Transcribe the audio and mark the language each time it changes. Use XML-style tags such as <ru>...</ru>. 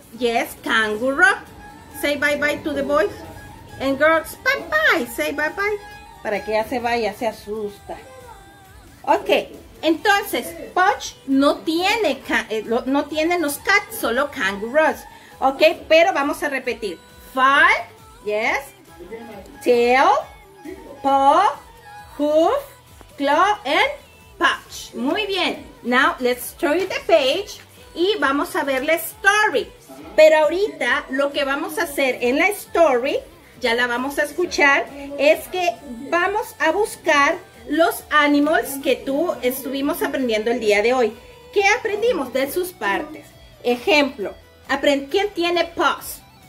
<en>Yes, kangaroo. Say bye-bye to the boys. And girls, bye-bye, say bye-bye.</en> <es>Para que ya se vaya, se asusta. Ok, entonces, Poch no tiene, no tiene los cats, solo kangaroos. Ok, pero vamos a repetir.</es> <en>Fur, yes, tail, paw, hoof, claw, and Poch.</en> <es>Muy bien.</es> <en>Now, let's turn the page</en> <es>y vamos a ver la story. Pero ahorita, lo que vamos a hacer en la story, ya la vamos a escuchar, es que vamos a buscar los animals que tú estuvimos aprendiendo el día de hoy. ¿Qué aprendimos de sus partes? Ejemplo, ¿quién tiene paws?</es>